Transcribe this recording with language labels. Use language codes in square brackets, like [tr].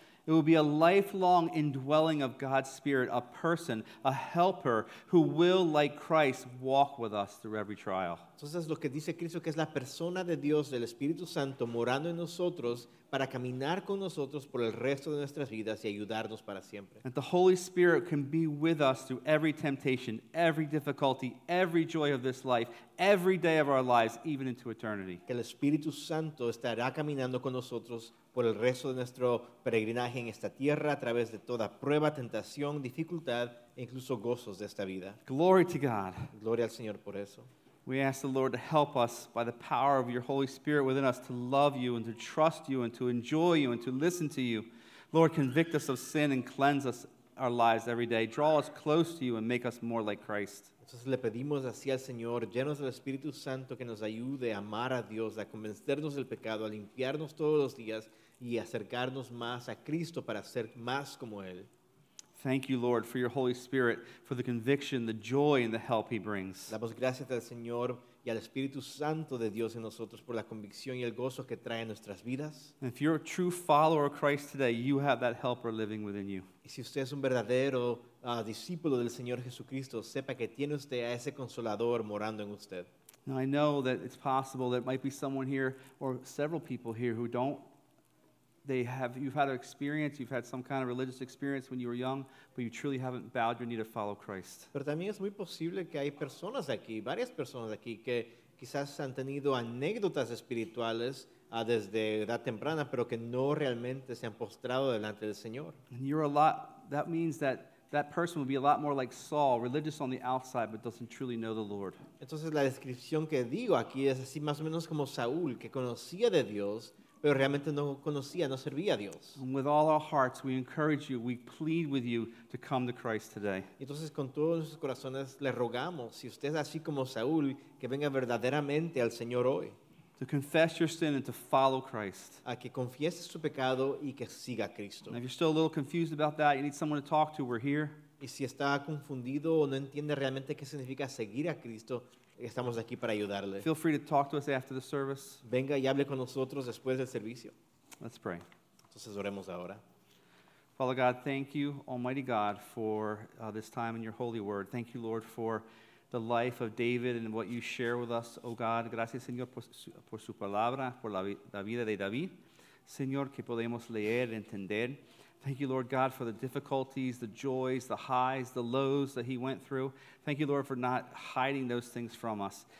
[en] It will be a lifelong indwelling of God's Spirit, a person, a helper, who will, like Christ, walk with us through every trial. [es] Entonces, lo que dice Cristo, que es la persona de Dios, del Espíritu Santo, morando en nosotros, para caminar con nosotros por el resto de nuestras vidas y ayudarnos para siempre. [en] That the Holy Spirit can be with us through every temptation, every difficulty, every joy of this life, every day of our lives, even into eternity. [es] Que el Espíritu Santo estará caminando con nosotros por el resto de nuestro peregrinaje en esta tierra a través de toda prueba, tentación, dificultad e incluso gozos de esta vida. [en] Glory to God. [es] Gloria al Señor por eso. [en] We ask the Lord to help us by the power of your Holy Spirit within us to love you and to trust you and to enjoy you and to listen to you. Lord, convict us of sin and cleanse us our lives every day. Draw us close to you and make us more like Christ. [es] Entonces le pedimos así al Señor, llenos del Espíritu Santo, que nos ayude a amar a Dios, a convencernos del pecado, a limpiarnos todos los días y acercarnos más a Cristo para ser más como Él. [en] Thank you, Lord, for your Holy Spirit, for the conviction, the joy, and the help he brings. [es] Damos gracias al Señor y al Espíritu Santo de Dios en nosotros por la convicción y el gozo que trae en nuestras vidas. [en] And if you're a true follower of Christ today, you have that helper living within you. [es] Y si usted es un verdadero discípulo del Señor Jesucristo, sepa que tiene usted a ese consolador morando en usted. [en] Now I know that it's possible that might be someone here or several people here who don't. You've had an experience, you've had some kind of religious experience when you were young, but you truly haven't bowed your knee to follow Christ. [es] Pero también es muy posible que hay personas aquí, varias personas aquí, que quizás han tenido anécdotas espirituales desde edad temprana, pero que no realmente se han postrado delante del Señor. [en] And you're a lot, that means that that person would be a lot more like Saul, religious on the outside, but doesn't truly know the Lord. [es] Entonces la descripción que digo aquí es así más o menos como Saúl, que conocía de Dios, pero realmente no conocía, no servía a Dios. [en] And with all our hearts, we encourage you, we plead with you to come to Christ today. [es] Entonces, con todos nuestros corazones, le rogamos, si usted es así como Saúl, que venga verdaderamente al Señor hoy. [en] To confess your sin and to follow Christ. [es] A que confiese su pecado y que siga a Cristo. [en] And if you're still a little confused about that, you need someone to talk to, we're here. [es] Y si está confundido o no entiende realmente qué significa seguir a Cristo, estamos aquí para ayudarle. [en] Feel free to talk to us after the service. [es] Venga y hable con nosotros después del servicio. [en] Let's pray. [es] Entonces oremos ahora. [en] Father God, thank you, Almighty God, for this time in your holy word. Thank you, Lord, for the life of David and what you share with us, oh God. [es] Gracias, Señor, por su palabra, por la vida de David. Señor, que podemos leer, entender. [en] Thank you, Lord God, for the difficulties, the joys, the highs, the lows that he went through. Thank you, Lord, for not hiding those things from us.